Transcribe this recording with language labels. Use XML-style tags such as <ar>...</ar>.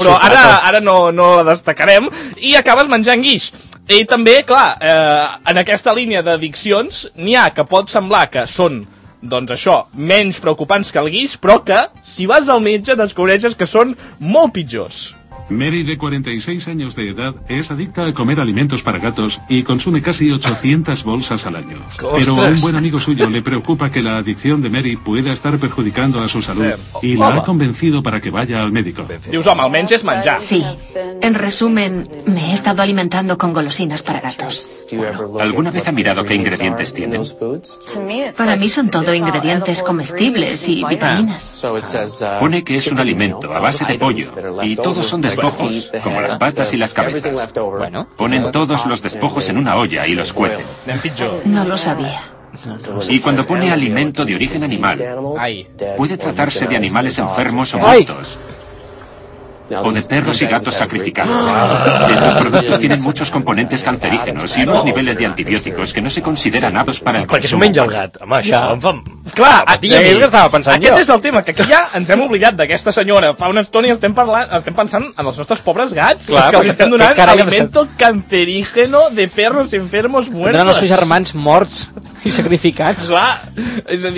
<ca>sustrato. Però ara no la destacarem. I acabes menjant guix. I també, clar, en aquesta línia d'addiccions n'hi ha que pot semblar que són, doncs això, menys preocupants que el guix, però que, si vas al metge, descobreixes que són molt pitjors.</ca> <es>Mary, de 46 años de edad, es adicta a comer alimentos para gatos y consume casi 800 bolsas al año. ¡Ostras! Pero a un buen amigo suyo le preocupa que la adicción de Mary pueda estar perjudicando a su salud y la ha convencido para que vaya al médico.</es> <ca>Dius, home, almenys és menjar.</ca> <es>Sí. En resumen, me he estado alimentando con golosinas para gatos. Bueno, ¿alguna vez ha mirado qué ingredientes tienen? Para mí son todo ingredientes comestibles y vitaminas. Pone que es un alimento a base de pollo y todos son despojos, como las patas y las cabezas. Bueno, ponen todos los despojos en una olla y los cuecen. No lo sabía. Y cuando pone alimento de origen animal, puede tratarse de animales enfermos o muertos. O de perros y gatos sacrificados. Estos productos tienen muchos componentes cancerígenos y unos niveles de antibióticos que no se consideran aptos para el consumo.</es> <ca>Perquè s'ho menja el gat. Home, això em fa... Clar, és el que estava pensant jo. Aquest és el tema, que aquí ja ens hem oblidat d'aquesta senyora. Fa una estona i estem pensant en els nostres pobres gats, que els estem donant alimento cancerígeno de perros enfermos muertos. Estan donant els seus germans morts i sacrificats. Clar, és a dir...</ca>